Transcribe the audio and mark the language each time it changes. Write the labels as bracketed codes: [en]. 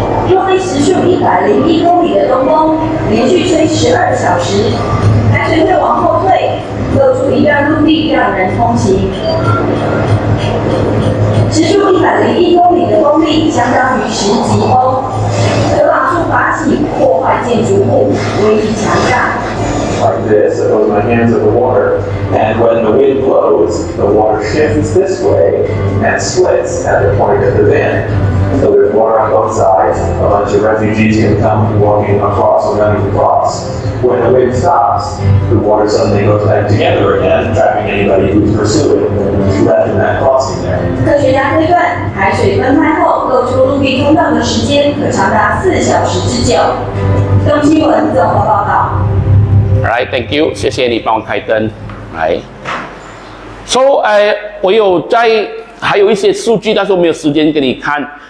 [zh] 若非时速101公里的东风连续吹12小时，海水会往后退，露出一段陆地让人通行。时速101公里的风力相当于10级风，可拉住法起破坏建筑物，威力强大。 [en] Like this, suppose my hands are the water, and when the wind blows, the water shifts this way and splits at the point of the bend. So there's water on both sides, a bunch of refugees can come walking across or running across. When the wind stops, the water suddenly goes back together again, trapping anybody who's pursuing who's left in that crossing there. [zh] 科学家推断，海水分开后露出陆地通道的时间可长达4小时之久。东新闻综合报道。 [en] Alright, thank you. [zh] 谢谢你帮我开灯。来 ，So， 我有在还有一些数据，但是我没有时间给你看。